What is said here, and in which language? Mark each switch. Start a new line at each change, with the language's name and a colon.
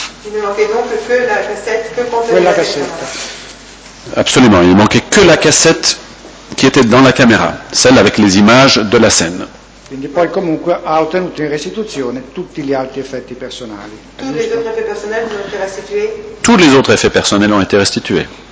French: Il ne manquait donc que la cassette que contenait.
Italian: Quella cassetta.
French: Absolument, il manquait que la cassette qui était dans la caméra, celle avec les images de la scène.
Italian: Quindi poi comunque ha ottenuto in restituzione tutti gli altri effetti personali.
French: Tous les autres effets personnels ont été restitués.